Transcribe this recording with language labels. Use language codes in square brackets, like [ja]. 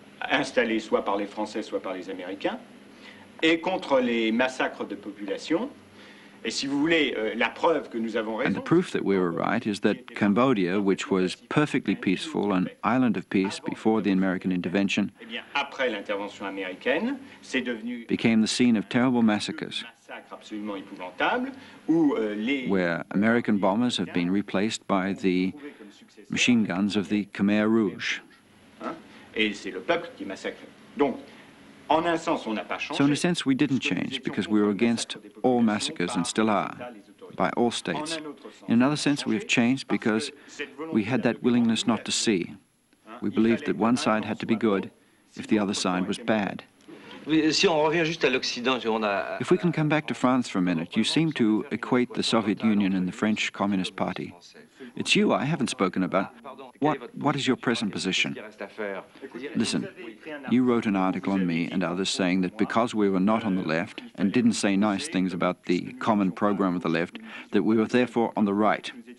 [fr] Installés soit par les Français, soit par les Américains, et contre les massacres de population. Et si vous voulez, la preuve que nous avons raison... [en] And the proof that we were right is that Cambodia, which was perfectly peaceful, an island of peace before the American intervention, [fr] eh bien, après l'intervention américaine, c'est devenu... [en] became the scene of terrible massacres. [fr] Absolument épouvantable, où, les [en] where American bombers have been replaced by the machine guns of the Khmer Rouge. [fr] Et c'est le peuple qui massacre. Donc, en un sens, on n'a pas changé. [en] So in a sense, we didn't change because we were against all massacres and still are by all states. In another sense, we have changed because we had that willingness not to see. We believed that one side had to be good if the other side was bad. [fr] Si on revient juste à l'Occident, on a... [en] If we can come back to France for a minute, you seem to equate the Soviet Union and the French Communist Party. It's you I haven't spoken about. What is your present position? Listen, you wrote an article on me and others saying that because we were not on the left and didn't say nice things about the common program of the left, that we were therefore on the right.